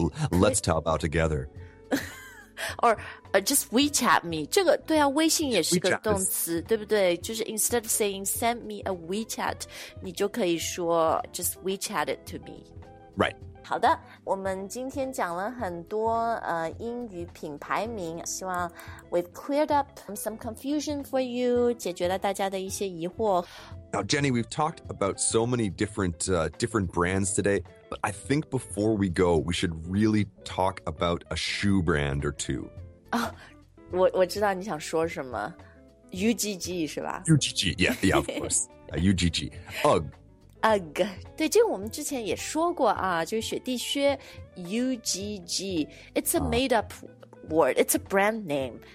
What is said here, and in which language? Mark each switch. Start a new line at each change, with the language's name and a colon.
English: Let's 淘宝 together. Or just WeChat me.
Chinese: 这个对啊微信也是个动词对不对就是
English: instead of saying send me a WeChat,
Chinese: 你就可以说
English: just WeChat it to me. Right.
Chinese: 好的我们今天讲了很多、英语品牌名希望
English: we've cleared up some confusion for you,
Chinese: 解决了大家的一些疑惑。
English: Now, Jenny, we've talked about so many different,、different brands today. But I think before we go, we should really talk about a shoe brand or two.
Chinese: Oh, 我知道你想说什么。 UGG 是吧
English: ?UGG, yeah, of course. UGG. UGG. UGG.
Chinese: 对这个我们之前也说过啊就是雪地靴 UGG.
English: It's a made up word. It's a brand name.